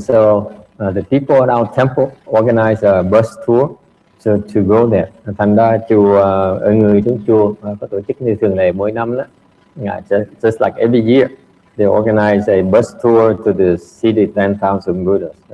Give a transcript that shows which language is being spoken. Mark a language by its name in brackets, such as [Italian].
[English] So the people at our temple organize a bus tour to go there. [Vietnamese] Thành ra chùa ở người trong chùa có tổ chức như thường này mỗi năm đó. [English] Just like every year, they organize a bus tour to the city 10,000 Buddhas.